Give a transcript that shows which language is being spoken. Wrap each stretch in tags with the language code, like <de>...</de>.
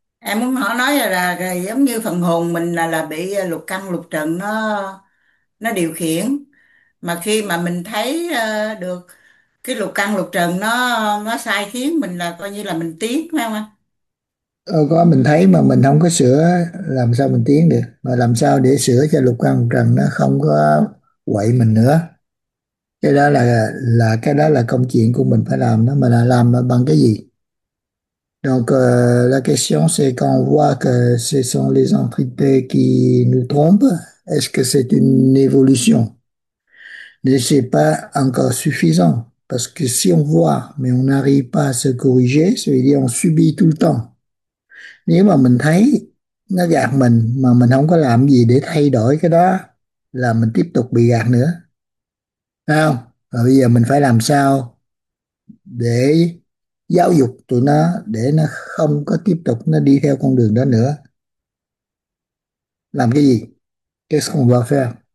<vi>Em muốn nói là giống như phần hồn mình là bị lục căn lục trần nó điều khiển, mà khi mà mình thấy được cái lục căn lục trần nó sai khiến mình là coi như là mình tiến, phải không anh? Có mình thấy mà mình không có sửa làm sao mình tiến được, mà làm sao để sửa cho lục căn lục trần nó không có quậy mình nữa. Cái đó là công chuyện của mình phải làm đó, mà là làm bằng cái gì?</vi> <fr>Donc la question c'est qu'on voit que ce sont les entités qui nous trompent. Est-ce que c'est une évolution? Mais c'est pas encore suffisant, parce que si on voit mais on n'arrive pas à se corriger, ça veut dire on subit tout le temps.</fr> <vi>Nếu mà mình thấy nó gạt mình mà mình không có làm gì để thay đổi cái đó là mình tiếp tục bị gạt nữa. Không? Và bây giờ mình phải làm sao để giáo dục tụi nó để nó không có tiếp tục nó đi theo con đường đó nữa. Làm cái gì?</vi> <fr>Qu'est-ce qu'on va faire?</fr>